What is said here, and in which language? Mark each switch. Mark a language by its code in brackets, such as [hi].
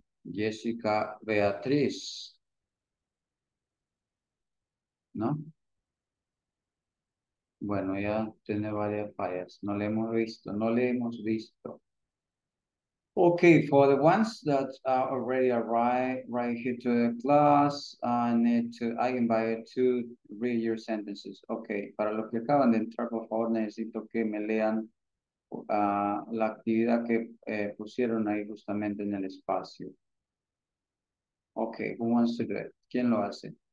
[es] Jessica Beatriz. ¿No? Bueno, ya tiene varias fallas. No le hemos visto. [en] Okay, for the ones that are already arrived right here to the class, I invite you to read your sentences. [es] Okay, para los que acaban de entrar, por favor, necesito que me lean la actividad que pusieron ahí justamente en el espacio. [en] Okay, who wants to do it? [es] ¿Quién lo hace?